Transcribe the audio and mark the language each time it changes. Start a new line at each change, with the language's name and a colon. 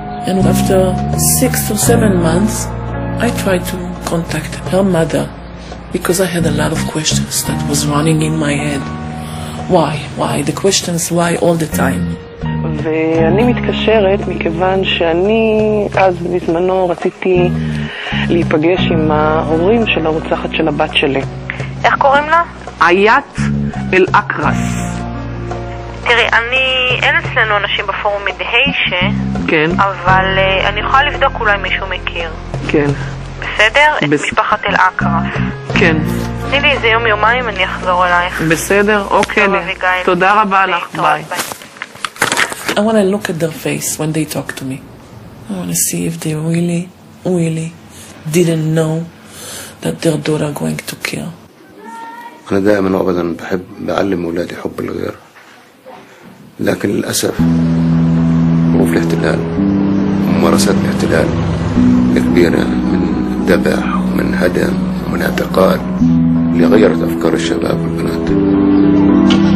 English: And after 6 to 7 months, I tried to contact her mother because I had a lot of questions that was running in my head. Why? Why? The questions why all the time.
Hebrew: ואני מתקשרת מכיוון שאני אז בזמנו רציתי להיפגש עם ההורים של הרוצחת של הבת שלי. איך קוראים לה? איאת אל-אקרס. תראי, אני, אין אצלנו אנשים בפורום מדהישה. כן. אבל אני יכולה לבדוק אולי מישהו מכיר. כן. בסדר? את משפחת אל-אקרס. כן. תני לי איזה יום יומיים, אני אחזור אלייך. בסדר, אוקיי. תודה רבה לך, ביי.
English: I want to look at their face when they talk to me. I want to see if they really, really didn't know that their daughter is going to kill.
Arabic: أنا دائماً أبداً بحب بعلم أولادي حب الغير. لكن للأسف ظروف الاحتلال ممارسات الاحتلال كبيرة من ذبح ومن هدم ومن اعتقال اللي غيرت أفكار الشباب والبنات.